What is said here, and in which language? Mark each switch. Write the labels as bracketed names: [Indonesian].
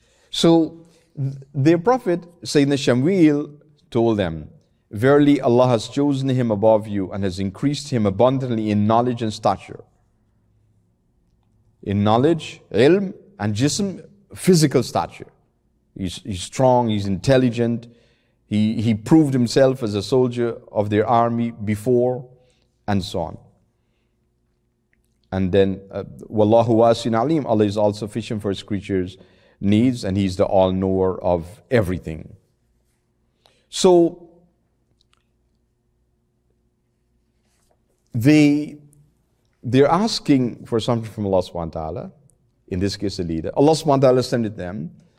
[English] So their prophet, Sayyidina Shamwil, told them, verily Allah has chosen him above you and has increased him abundantly in knowledge and stature. In knowledge, ilm, and jism, physical stature. He's strong, he's intelligent, he proved himself as a soldier of their army before, and so on. And then, [Arabic] وَاللَّهُ وَاسِعٌ عَلِيمٌ. [English] Allah is all sufficient for his creatures' needs, and he's the all-knower of everything. So, they're asking for something from Allah subhanahu wa ta'ala, in this case, the leader. Allah subhanahu wa ta'ala sent it to them,